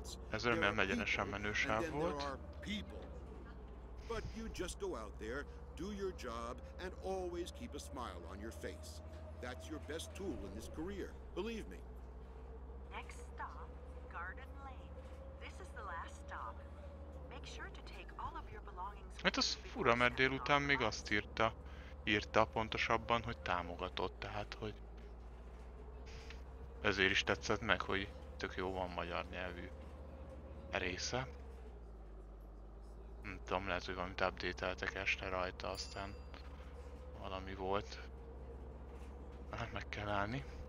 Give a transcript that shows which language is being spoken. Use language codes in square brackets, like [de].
[hu] ez remélem egyenesen menősáv volt. [en] But you just go out there, do your job, and always keep a smile on your face. That's your best tool in this career, believe me. Next stop, Garden Lane. This is the last stop. Make sure to take all of your belongings. [hu] Hát az fura, mert délután még azt írta pontosabban, hogy támogatott, tehát hogy ezért is tetszett meg, hogy tök jó van magyar nyelvű része. Nem tudom, lehet, hogy valamit update-eltek este rajta, aztán valami volt. Hát meg kell állni.